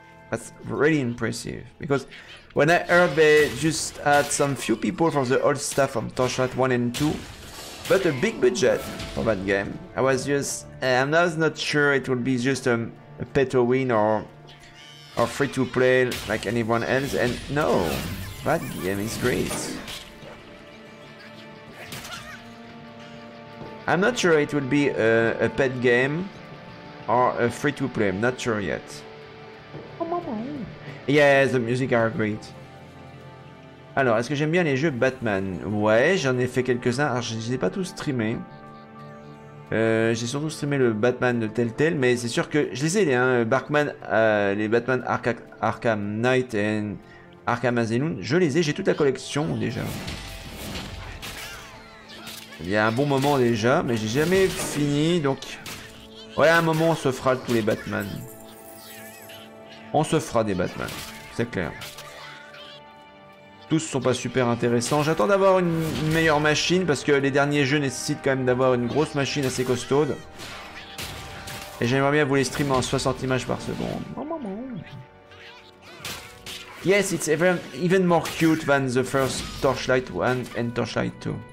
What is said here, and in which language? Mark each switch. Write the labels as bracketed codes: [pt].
[en] That's really impressive, because when I heard they just had some few people from the old staff from Torchlight 1 and 2, but a big budget for that game, I was not sure it would be just a pay to win or free to play like anyone else, and no, that game is great. I'm not sure it will be a pet game or a free-to-play, I'm not sure yet. Yeah, the music are great. [fr] Alors, est-ce que j'aime bien les jeux Batman? Ouais, j'en ai fait quelques-uns. Alors, je ne les ai pas tous streamés. J'ai surtout streamé le Batman de Telltale, mais c'est sûr que je les ai, hein, Barkman, les Batman Arkham Knight et Arkham Asylum. Je les ai, j'ai toute la collection déjà. Il y a un bon moment déjà, mais j'ai jamais fini, donc... Ouais, à un moment, on se fera tous les Batman. On se fera des Batman, c'est clair. Tous sont pas super intéressants. J'attends d'avoir une meilleure machine, parce que les derniers jeux nécessitent quand même d'avoir une grosse machine assez costaude. Et j'aimerais bien vous les streamer en 60 images par seconde. [en] Yes, it's even more cute than the first Torchlight 1 and Torchlight 2.